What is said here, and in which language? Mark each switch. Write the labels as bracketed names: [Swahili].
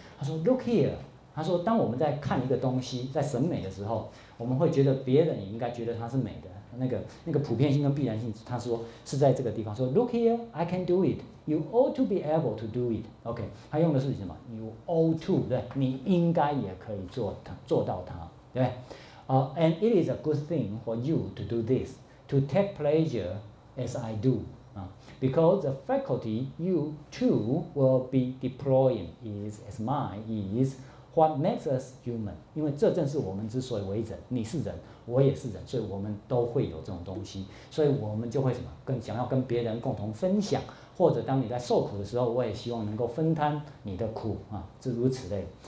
[Chinese] 他说 ， [English] Look here， [Chinese] 他说，当我们在看一个东西，在审美的时候，我们会觉得别人也应该觉得它是美的。那个普遍性跟必然性，他说是在这个地方说 ， [English] Look here， I can do it。 You ought to be able to do it. [Chinese] OK， 他用的是什么 ？ [English] You ought to， [Chinese] 对，你应该也可以做到它，对。 [English] And it is a good thing for you to do this, to take pleasure as I do, because the faculty you too will be deploying is as mine is what makes us human. [Chinese] 因为这正是我们之所以为人，你是人，我也是人，所以我们都会有这种东西，所以我们就会什么更想要跟别人共同分享。或者当你在受苦的时候，我也希望能够分摊你的苦啊，诸如此类。